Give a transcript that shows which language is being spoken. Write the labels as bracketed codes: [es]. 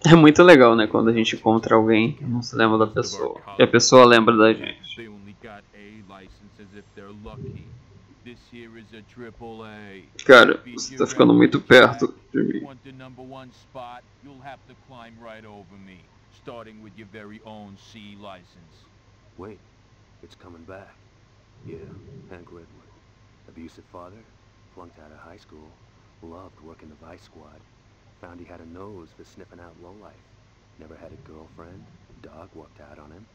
[pt] É muito legal, né, quando a gente encontra alguém que não se lembra da pessoa. E a pessoa lembra da gente. [en] They only got a license as if they're lucky. This here is a triple A. [pt] Cara, você tá ficando muito perto de mim. [en] Want the number one spot, you'll have to climb right over me, starting with your very own C license. Wait, it's coming back. Yeah, Hank Redwood. Abusive father. Flunked out of high school, loved working the vice squad, found he had a nose for sniffing out lowlife, never had a girlfriend, dog walked out on him.